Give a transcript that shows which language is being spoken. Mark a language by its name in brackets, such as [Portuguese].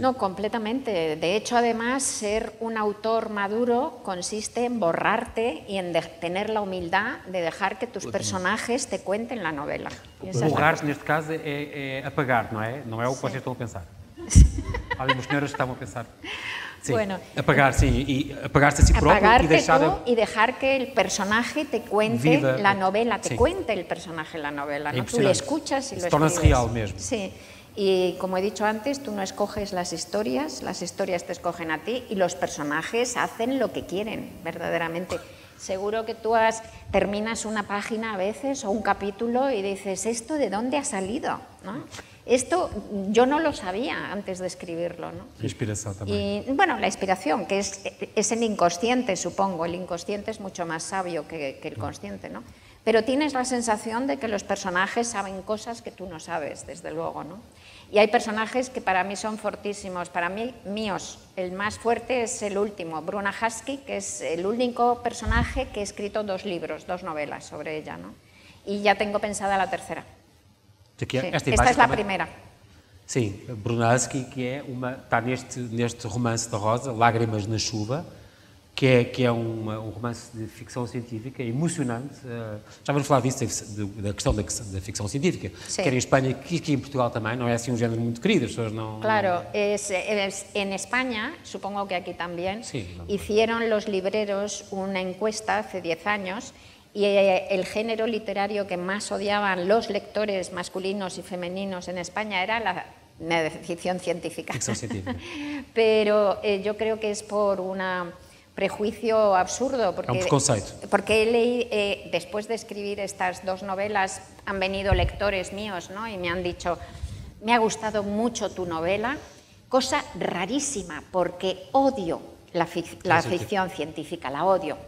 [Portuguese] Não, completamente. [Spanish] De hecho, además, [Portuguese] ser um autor maduro consiste em borrar-te e em ter a humildade de deixar que tus personagens [Spanish] te cuenten [Portuguese] a novela. Borrar-te, neste caso, é apagar, não é? Não é o que vocês estão a pensar. Há algumas senhoras que estavam a pensar. [Spanish] Sí. Bueno, apagar, sí, y apagarse a sí propio apagarte y dejar tú y dejar que el personaje te cuente vida, la novela, te sí. cuente el personaje la novela, ¿no? Tú le escuchas y lo escribes. Real mismo. Sí. Y como he dicho antes, tú no escoges las historias te escogen a ti y los personajes hacen lo que quieren, verdaderamente. Seguro que tú has terminas una página a veces o un capítulo y dices, ¿esto de dónde ha salido?, ¿no? Esto yo no lo sabía antes de escribirlo, ¿no? Inspiración también. Y bueno, la inspiración, que es el inconsciente, supongo. El inconsciente es mucho más sabio que el consciente, ¿no? Pero tienes la sensación de que los personajes saben cosas que tú no sabes, desde luego, ¿no? Y hay personajes que para mí son fortísimos. Para mí, míos, el más fuerte es el último, Bruna Husky, que es el único personaje que he escrito dos libros, dos novelas sobre ella, ¿no? Y ya tengo pensada la tercera. [Portuguese] Aqui, sim, esta é a primeira. Sim, Bruna Husky, que é uma, está neste romance da Rosa, Lágrimas na Chuva, que é um romance de ficção científica emocionante. Já vamos falar disso, da questão da ficção científica, sim. Quer em Espanha, que em Portugal também, não é assim um género muito querido, as pessoas não... [Spanish] Claro, em Espanha, supongo que [Portuguese] aqui também, [Spanish] hicieron os libreros uma encuesta hace 10 anos. Y el género literario que más odiaban los lectores masculinos y femeninos en España era la ficción científica. Pero yo creo que es por un prejuicio absurdo. Porque, [Portuguese] un preconceito. [Spanish] Porque he leído, después de escribir estas dos novelas, han venido lectores míos, ¿no?, y me han dicho, me ha gustado mucho tu novela, cosa rarísima, porque odio la ficción científica, la odio.